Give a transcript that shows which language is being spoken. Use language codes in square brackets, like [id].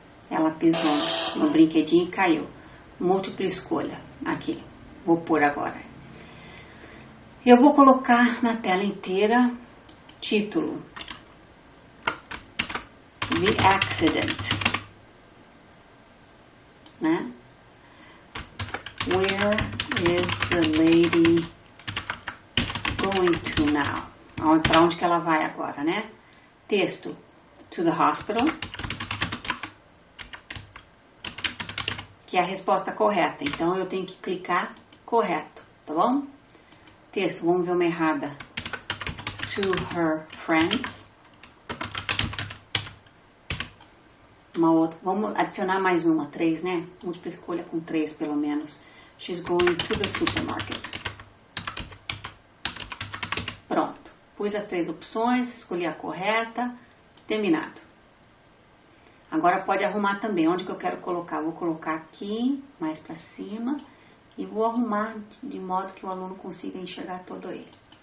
[pt] Ela pisou no brinquedinho e caiu. Múltipla escolha. Aqui. Vou pôr agora. Eu vou colocar na tela inteira título. [en] The accident, né? Where is the lady going to now? [pt] Para onde que ela vai agora, né? Texto. [en] To the hospital. [pt] Que é a resposta correta. Então, eu tenho que clicar correto, tá bom? Texto. Vamos ver uma errada. [en] To her friends. [pt] Uma outra. Vamos adicionar mais uma. Três, né? Múltipla escolha com três, pelo menos. [en] She's going to the supermarket. [pt] Pronto. Pus as três opções, escolhi a correta, terminado. Agora pode arrumar também, onde que eu quero colocar? Vou colocar aqui, mais para cima, e vou arrumar de modo que o aluno consiga enxergar todo ele.